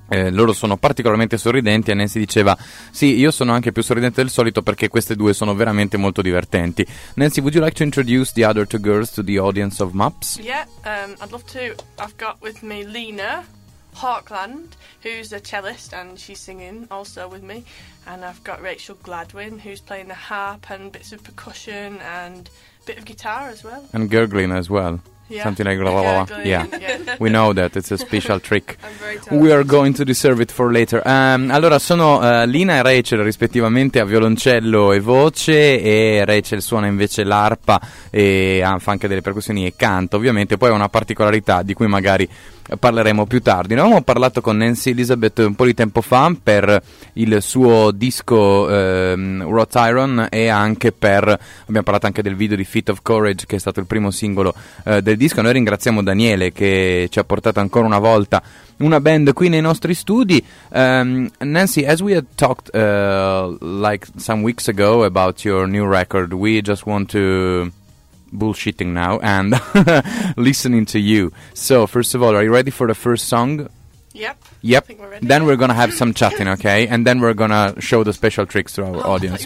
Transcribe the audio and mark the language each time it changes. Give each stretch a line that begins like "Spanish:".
Italian: Loro sono particolarmente sorridenti e Nancy diceva: sì, io sono anche più sorridente del solito perché queste due sono veramente molto divertenti.
English: Nancy, would you like to introduce the other two girls to the audience of MAPS? Yeah, I'd love to. I've got with me Lena Parkland, who's a cellist, and she's singing also with me. And I've got Rachel Gladwin, who's playing the harp and bits of percussion and a bit of guitar as well. And gurgling as well. Yeah. Something like blah, blah, blah. Yeah. We know that. It's a special trick. I'm very We are going to deserve it for later.
Italian: Allora, sono Lina e Rachel, rispettivamente, a violoncello e voce, e Rachel suona invece l'arpa e fa anche delle percussioni e canta, ovviamente. Poi ha una particolarità di cui magari parleremo più tardi. Noi avevamo parlato con Nancy Elizabeth un po' di tempo fa per il suo disco Wrought Iron, e anche per, abbiamo parlato anche del video di Feet of Courage, che è stato il primo singolo del disco. Noi ringraziamo Daniele che ci ha portato ancora una volta una band qui nei nostri studi.
English: Nancy, as we had talked like some weeks ago about your new record, we just want to bullshitting now and listening to you. So first of all, are you ready for the first song? Yep. I think we're ready. Then we're gonna have some chatting, okay? And then we're gonna show the special tricks to our audience.